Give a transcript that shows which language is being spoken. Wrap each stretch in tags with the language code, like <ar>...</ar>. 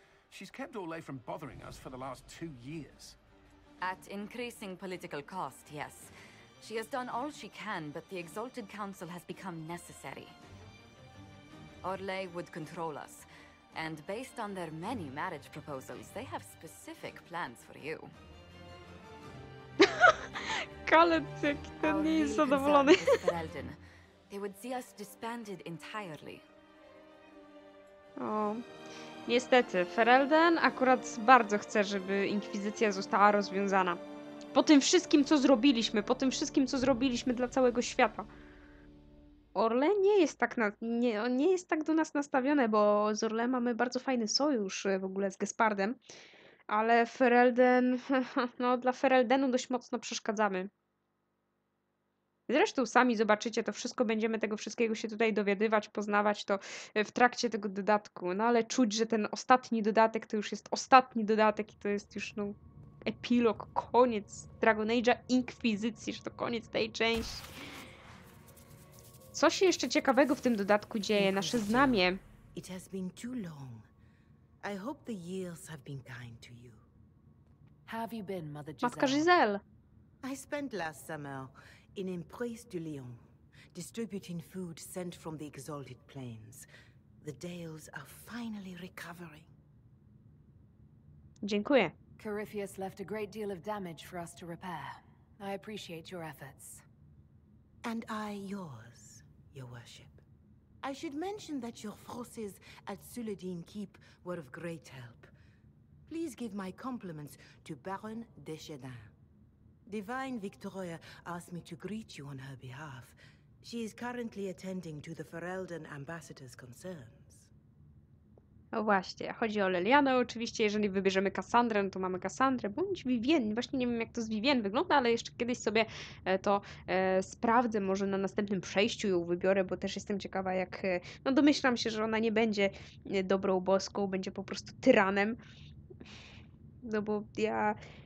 <en>She's kept Orle from bothering us for the last 2 years. At increasing political cost, yes. She has done all she can, but the Exalted Council has become necessary. Orle would control us. And based on their many marriage proposals, they have specific plans for you.</en> <pl>Kalecek, ten nie jest zadowolony.</pl> <en>They would see us disbanded entirely.</en> <pl>Niestety, Ferelden akurat bardzo chce, żeby inkwizycja została rozwiązana. Po tym wszystkim, co zrobiliśmy dla całego świata. Orle nie jest tak nie jest tak do nas nastawione, bo z Orle mamy bardzo fajny sojusz w ogóle z Gespardem, ale Ferelden, no dla Fereldenu dość mocno przeszkadzamy. Zresztą sami zobaczycie to wszystko, będziemy tego wszystkiego się tutaj dowiadywać, poznawać to w trakcie tego dodatku, no ale czuć, że ten ostatni dodatek to już jest ostatni dodatek i to jest już no epilog, koniec Dragon Age'a Inkwizycji, że to koniec tej części. Co się jeszcze ciekawego w tym dodatku dzieje? Nasze znamie.</pl> <en>It has been too long. I hope the years have been kind to you. Have you been, Mother Giselle?</en> <pl>Matka Giselle.</pl> <en>I spent last summer in Empress du Lion, distributing food sent from the Exalted Plains. The Dales are finally recovering.</en> <pl>Dziękuję.</pl> <en>Corypheus left a great deal of damage for us to repair. I appreciate your efforts. And I yours, your worship. I should mention that your forces at Suladin Keep were of great help. Please give my compliments to Baron Deschedin. Divine Victoria asked me to greet you on her behalf. She is currently attending to the Ferelden ambassador's concerns.</en> <pl>No właśnie, chodzi o Lelianę. Oczywiście, jeżeli wybierzemy Kassandrę, to mamy Kassandrę, bądź Vivienne. Właśnie nie wiem, jak to z Vivienne wygląda, ale jeszcze kiedyś sobie to sprawdzę. Może na następnym przejściu ją wybiorę, bo też jestem ciekawa, jak... No domyślam się, że ona nie będzie dobrą boską, będzie po prostu tyranem. No bo ja...</pl>